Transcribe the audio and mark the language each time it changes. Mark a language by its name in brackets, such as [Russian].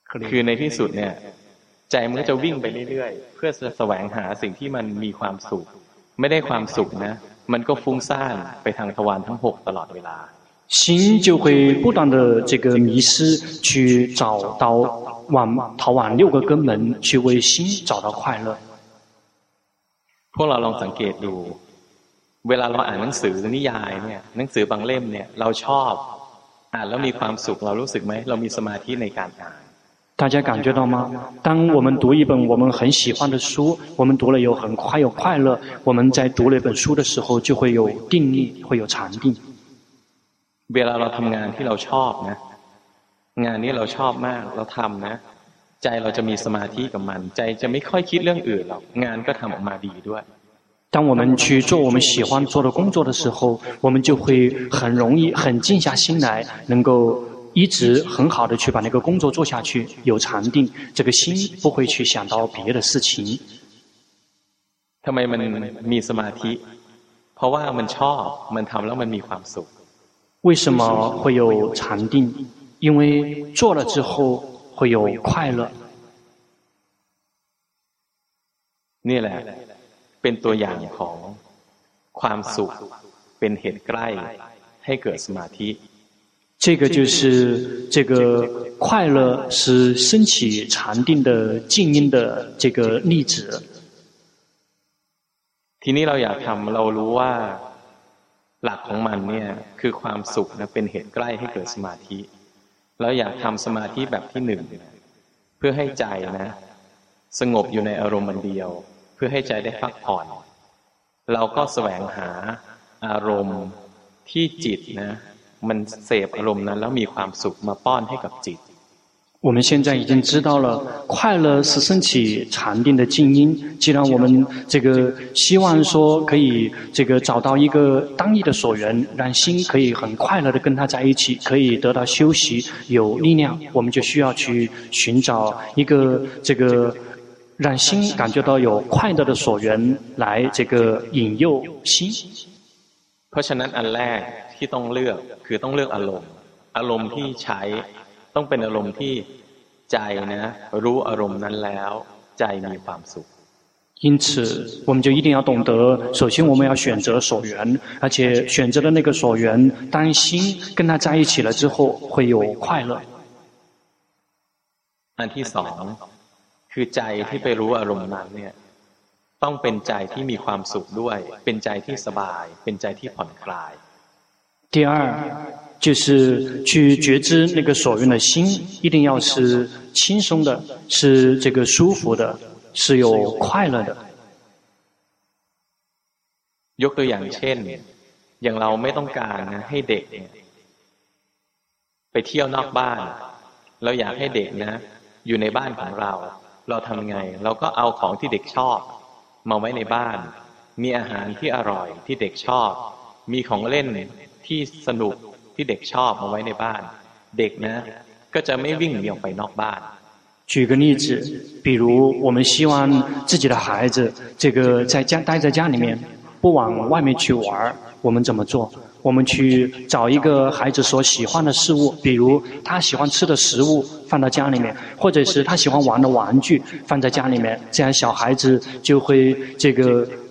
[Thai] คือในที่สุดเนี่ยใจมันจะวิ่งไปเรื่อยๆเพื่อแสวงหาสิ่งที่มันมีความสุขไม่ได้ความสุขนะ มันก็ฟุ้งซ่านไปทางทวารทั้ง6ตลอดเวลา [Chinese] 心就会不断的这个迷失去找到往逃往六个根门去为心找到快乐 [Thai] พวกเราลองสังเกตดูเวลาเราอ่านหนังสือนิยายเนี่ยหนังสือบางเล่มเนี่ยเราชอบอ่านแล้วมีความสุขเรารู้สึกไหมเรามีสมาธิในการอ่าน [Chinese] 大家感觉到吗当我们读一本我们很喜欢的书我们读了有很快有快乐我们在读了一本书的时候就会有定力会有禅定 [Thai] เวลาเราทำงานที่เราชอบนะงานนี้เราชอบมากเราทำนะใจเราจะมีสมาธิกับมันใจจะไม่ค่อยคิดเรื่องอื่นหรอกงานก็ทำออกมาดีด้วย [Chinese] 当我们去做我们喜欢做的工作的时候我们就会很容易很静下心来能够一直很好的去把那个工作做下去有禅定这个心不会去想到别的事情 [Thai] ทำไมมันมีสมาธิเพราะว่ามันชอบมันทำแล้วมันมีความสุข [Chinese] 为什么会有禅定因为做了之后会有快乐 [Thai] นี่แหละเป็นตัวอย่างของความสุขเป็นเหตุใกล้ให้เกิดสมาธิ [Chinese] 这个就是这个快乐是升起禅定的静音的这个例子。 [Thai] ที่นี่เราอยากทำเรารู้ว่าหลักของมันเนี่ยคือความสุขนะเป็นเหตุใกล้ให้เกิดสมาธิเราอยากทำสมาธิแบบที่หนึ่งเพื่อให้ใจนะสงบอยู่ในอารมณ์เดียวเพื่อให้ใจได้พักผ่อนเราก็แสวงหาอารมณ์ที่จิตนะมันเสพอารมณ์นั้นแล้วมีความสุขมาป้อนให้กับจิต [Chinese] 我们现在已经知道了快乐是升起禅定的静音既然我们这个希望说可以这个找到一个当意的所缘让心可以很快乐的跟他在一起可以得到休息有力量我们就需要去寻找一个这个让心感觉到有快乐的所缘来这个引诱心 [Thai] เพราะฉะนั้นอันแรกที่ต้องเลือกคือต้องเลือกอารมณ์อารมณ์ที่ใช้ต้องเป็นอารมณ์ที่ใจนะรู้อารมณ์นั้นแล้วใจมีความสุข [Chinese] 因此我们就一定要懂得首先我们要选择所缘而且选择的那个所缘当心跟他在一起了之后会有快乐 [Thai] อันที่สองคือใจที่ไปรู้อารมณ์นั้นเนี่ยต้องเป็นใจที่มีความสุขด้วยเป็นใจที่สบายเป็นใจที่ผ่อนคลาย [Chinese] 第二就是去觉知那个所缘的心一定要是轻松的是这个舒服的是有快乐的 [Thai] ยกตัวอย่างเช่นอย่างเราไม่ต้องการให้เด็กไปเที่ยวนอกบ้านเราอยากให้เด็กนะอยู่ในบ้านของเราเราทำไงเราก็เอาของที่เด็กชอบมาไว้ในบ้านมีอาหารที่อร่อยที่เด็กชอบมีของเล่นที่สนุกที่เด็กชอบมาไว้ในบ้านเด็กนะก็จะไม่วิ่งหนีออกไปนอกบ้าน [Chinese] 举个例子比如我们希望自己的孩子这个在家待在家里面不往外面去玩我们怎么做我们去找一个孩子所喜欢的事物比如他喜欢吃的食物放到家里面或者是他喜欢玩的玩具放在家里面这样小孩子就会这个